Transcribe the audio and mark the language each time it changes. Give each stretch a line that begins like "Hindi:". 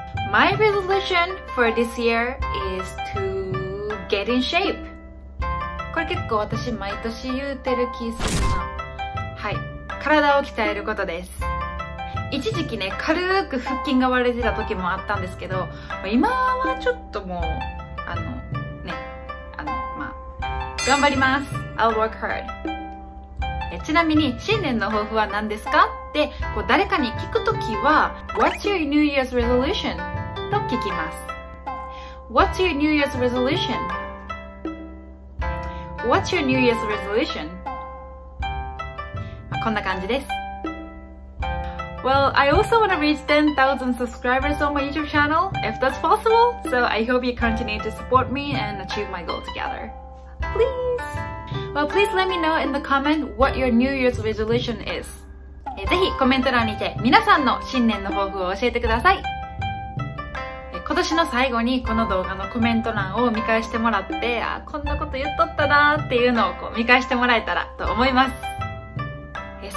English: My resolution for this year is to get in shape.
Japanese: これ結構私毎年言うてる気するな。はい、体を鍛えることです。一時期ね軽く腹筋が割れてた時もあったんですけど、今はちょっともうまあ頑張ります。
English: I'll work hard。
Japanese: ちなみに新年の抱負は何ですかってこう誰かに聞くときは
English: What's your New Year's resolution?
Japanese: と聞きます。
English: What's your New Year's resolution? What's your New Year's resolution?
Japanese: こんな感じです。
English: Well, I also want to reach 10,000 subscribers on my YouTube channel, if that's possible. So I hope you continue to support me and achieve my goal together. Please! Well, please let me know in the comment what your New Year's resolution is.
Japanese: ぜひコメント欄にて皆さんの新年の抱負を教えてください。今年の最後にこの動画のコメント欄を見返してもらって、あ、こんなこと言っとったなーっていうのをこう見返してもらえたらと思います。